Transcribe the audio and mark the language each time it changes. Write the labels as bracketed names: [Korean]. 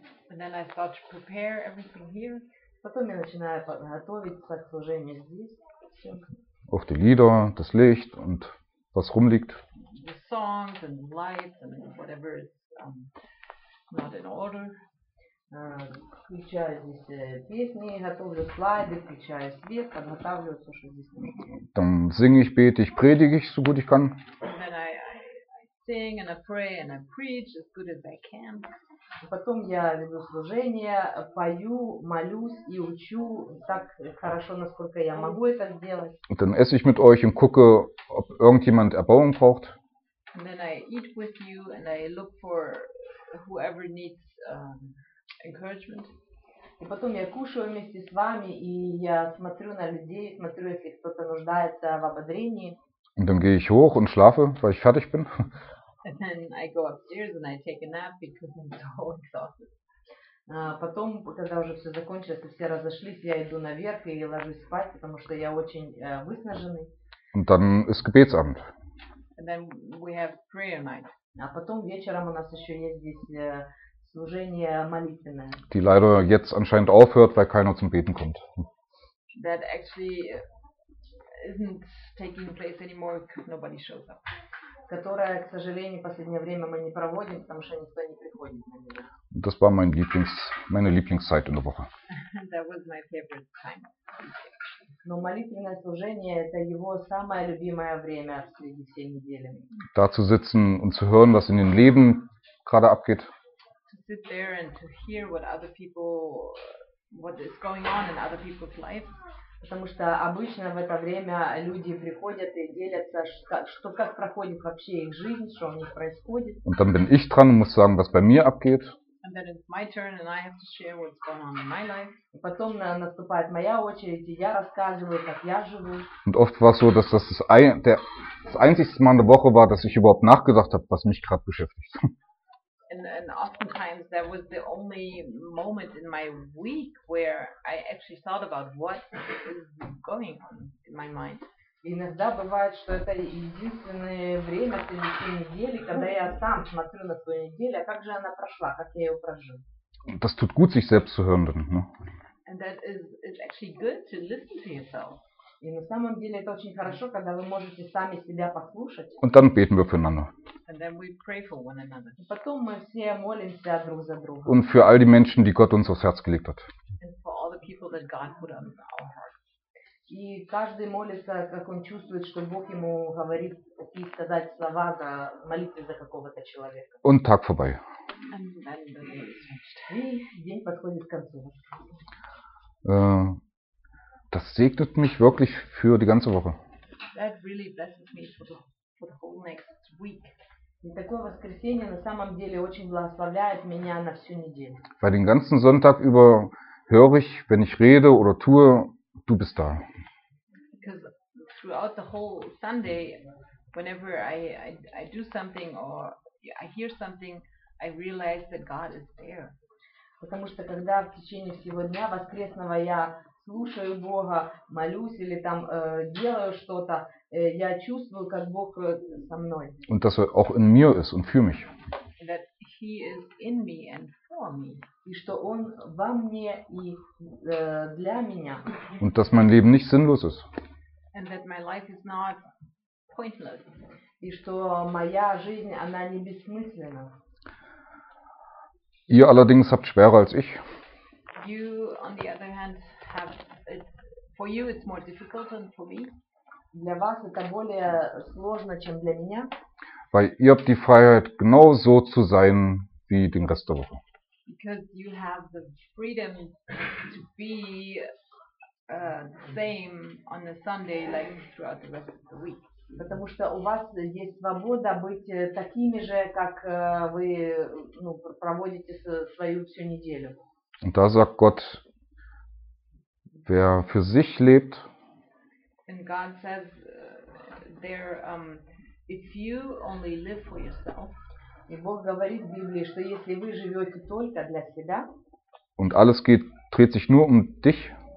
[English] And then I start to prepare everything here. [Russian] Потом я начинаю готовить служение здесь. [German] Auch die Lieder, das Licht und was rumliegt. [English] The songs and the lights and whatever is not in order. [Russian] Включаю здесь песни, готовлю слайды, включаю свет, подготавливаю все, что здесь нужно. [German] Dann singe ich, bete ich, predige ich, so gut ich kann. [English] And then I sing and I pray and I preach as good as I can. [Russian] Потом я веду служение, пою, молюсь и учу так хорошо, насколько я могу это сделать. [German] Und dann esse ich mit euch und gucke, ob irgendjemand Erbauung braucht. [English] And then I eat with you and I look for whoever needs encouragement. [Russian] И потом я кушаю вместе с вами и я смотрю на людей, смотрю, если кто-то нуждается в ободрении. [German] Und dann gehe ich hoch und schlafe, weil ich fertig bin. [English] And then I go upstairs and I take a nap because I'm so exhausted. [Russian] Потом, когда уже все закончилось, все разошлись, я иду наверх и ложусь спать, потому что я очень выснаженный. [German] Und dann ist Gebetsabend. [English] And then we have prayer night. [Russian] А потом вечером у нас еще есть здесь служение молитвенное. [German] Die leider jetzt anscheinend aufhört, weil keiner zum Beten kommt. [English] That actually isn't taking place anymore because nobody shows up. [Russian] Которое, к сожалению, в последнее время мы не проводим, потому что никто не приходит. [German] Das war meine Lieblingszeit in der Woche. [English] That was my favorite time. [Russian] Но молитвенное служение – это его самое любимое время среди всей недели. [German] Da zu sitzen und zu hören, was in den Leben gerade abgeht. [English] To sit there and to hear what other people, what is going on in other people's lives. [Russian] Потому что обычно в это время люди приходят и делятся, что как проходит вообще их жизнь, что у них происходит. [German] Und dann bin ich dran und muss sagen, was bei mir abgeht. [English] And then it's my turn and I have to share what's going on in my life. [Russian] И потом наступает моя очередь, и я рассказываю, как я живу. [German] Und oft war es so, dass das einzigste Mal in der Woche war, dass ich überhaupt nachgedacht habe, was mich gerade beschäftigt. [English] And oftentimes that was the only moment in my week where I actually thought about what is going on in my mind. [Russian] Иногда бывает, что это единственное время среди всей недели, когда я сам смотрю на свою неделю, а как же она прошла, как я ее прожил. [German] Das tut gut, sich selbst zu hören, dann, ne? [English] And that is actually good to listen to yourself. [Russian] И на самом деле это очень хорошо, когда вы можете сами себя послушать. [German] Und dann beten wir füreinander. [English] And then we pray for one another. [Russian] И потом мы все молимся друг за друга. [German] Und für all die Menschen, die Gott uns aufs Herz gelegt hat. [English] And for all the people that God put on our hearts. [Russian] И каждый молится, как он чувствует, что Бог ему говорит и сказать слова за молитвы за какого-то человека. [German] Und Tag vorbei. [English] And then the day is finished. [Russian] И день подходит к концу. [German] Das segnet mich wirklich für die ganze Woche. [English] That really blesses me for the whole next week. [Russian] И такое воскресенье на самом деле очень благословляет меня на всю неделю. [German] Weil den ganzen Sonntag über höre ich, wenn ich rede oder tue, du bist da. [English] Because throughout the whole Sunday, whenever I do something or I hear something, I realize that God is there. [Russian] Потому что когда в течение всего дня воскресного я слушаю Бога, молюсь или там делаю что-то, я чувствую, как Бог со мной. [German] Und dass auch in mir ist und für mich. [English] That he is in me and for me. [Russian] И что он во мне и для меня. [German] Und dass mein Leben nicht sinnlos ist. [English] And that my life is not pointless. [Russian] И что моя жизнь, она не бессмысленна. [German] Ihr allerdings habt schwerer als ich. [English] You, on the other hand, have it, for you it's more difficult than for me. [Russian] Для вас это более сложно, чем для меня. [German] Weil ihr habt die Freiheit, genau so zu sein wie den Rest der Woche. [English] Because you have the freedom to be same on a Sunday like throughout the rest of the week. [Russian] Потому что у вас есть свобода быть такими же, как вы ну, проводите свою всю неделю. [German] Und da sagt Gott, wer für sich lebt. [English] And God says, there, if you only live for yourself. [Russian] И Бог говорит в Библии, что если вы живете только для себя. [German] Und alles geht, dreht sich nur um dich.